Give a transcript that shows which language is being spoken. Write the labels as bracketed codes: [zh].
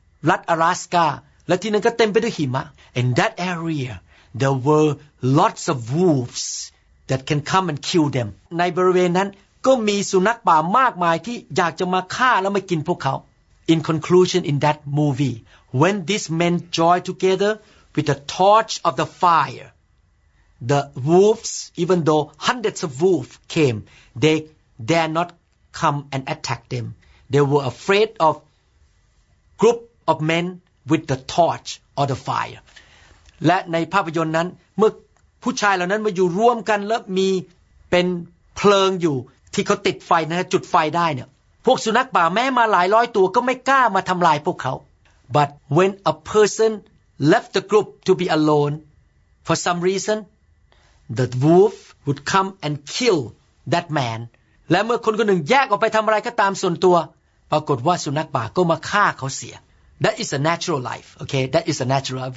[th] รัฐ Alaska และที่นั้นก็เต็มไปด้วยหิมะ [en] in that area there were lots of wolves that can come and kill them [th] ในบริเวณนั้นก็มีสุนัขป่ามากมายที่อยากจะมาฆ่าและมากินพวกเขา [en] in conclusion in that movie when these men joined togetherWith the torch of the fire, the wolves, even though hundreds of wolves came, they dare not come and attack them. They were afraid of group of men with the torch or the fire. [th] และในภาพยนตร์นั้นเมื่อผู้ชายเหล่านั้นมาอยู่รวมกันแล้วมีเป็นเพลิงอยู่ที่เขาติดไฟนะจุดไฟได้เนี่ยพวกสุนัขป่าแม้มาหลายร้อยตัวก็ไม่กล้ามาทำลายพวกเขา [en] But when a personleft the group to be alone for some reason the wolf would come and kill that man [th] และเมื่อคนคนหนึ่งแยกออกไปทำอะไรก็ตามส่วนตัวปรากฏว่าสุนัขป่าก็มาฆ่าเขาเสีย [en] that is a natural life okay that is a natural life.